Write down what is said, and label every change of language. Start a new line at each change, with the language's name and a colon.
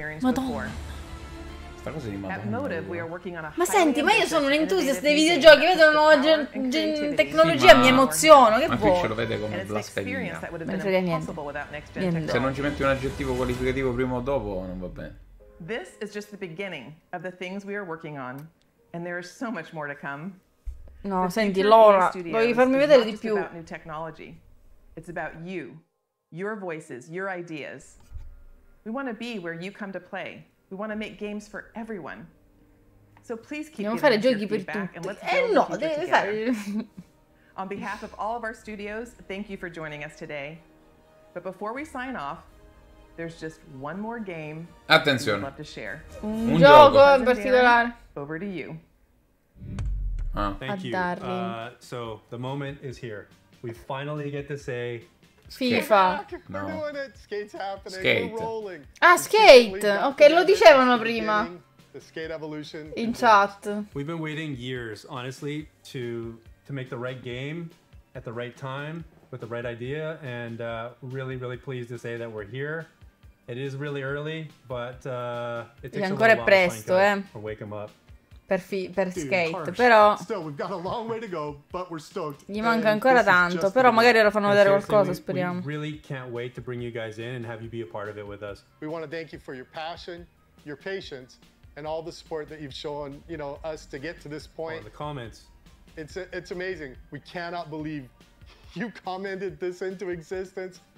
Italian: Madonna. Ma senti, ma io sono un entusiasta dei videogiochi, vedo una nuova tecnologia, mi emoziono, che può? Ma Fitch lo vede come blasfemia. Non frega niente. Se non ci metti un aggettivo qualificativo prima o dopo, non va bene.
English: This is just the beginning of the things we are working on, and there is so much more to come.
Italian: No, senti, Laura, vuoi farmi vedere di più?
English: It's about you, your voices, your ideas. We want to be where you come to play. We want to make games for everyone. So please keep giving us your feedback and let's build the future together. On behalf of all of our studios, thank you for joining us today. But before we sign off, there's just one more game
Italian: attenzione
English: we'd love to share.
Italian: Un gioco in particolare.
English: Over to you. Thank you. So the moment is here. We finally get to say FIFA. No. Skate.
Italian: Ah, Skate. Ok, lo dicevano prima. In chat.
English: We've been waiting years, honestly, to make the right game at the right time with the right idea, and really, really pleased to say that we're here. It is really early, but it takes a little while presto, to wake him up.
Italian: Per Skate, però gli manca ancora tanto, però magari ora fanno vedere qualcosa, speriamo.
English: We really can't wait to bring you guys in and have you be a part of it with us. We want to thank you for your passion, your patience, and all the support that you've shown, you know, us to get to this point. Oh, the comments. It's amazing. We cannot believe you commented this into existence.